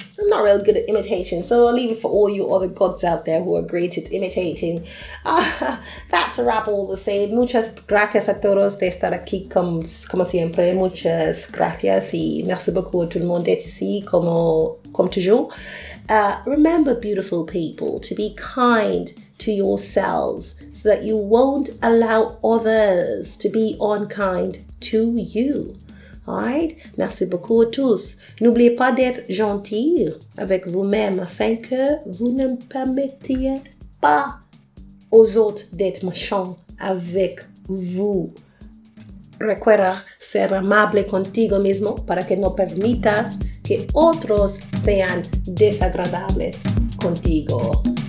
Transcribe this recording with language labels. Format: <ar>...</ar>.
<en>I'm not real good at imitation, so I'll leave it for all you other gods out there who are great at imitating. That's a wrap all the same.</en> <es>Muchas gracias a todos de estar aquí como siempre. Muchas gracias</es> <fr>y merci beaucoup a tout le monde d'être ici comme toujours.</fr> <en>Remember, beautiful people, to be kind to yourselves so that you won't allow others to be unkind to you.</en> <fr>Alright, merci beaucoup à tous. N'oubliez pas d'être gentil avec vous-même afin que vous ne permettiez pas aux autres d'être méchants avec vous.</fr> <es>Recuerda ser amable contigo mismo para que no permitas que otros sean desagradables contigo.</es>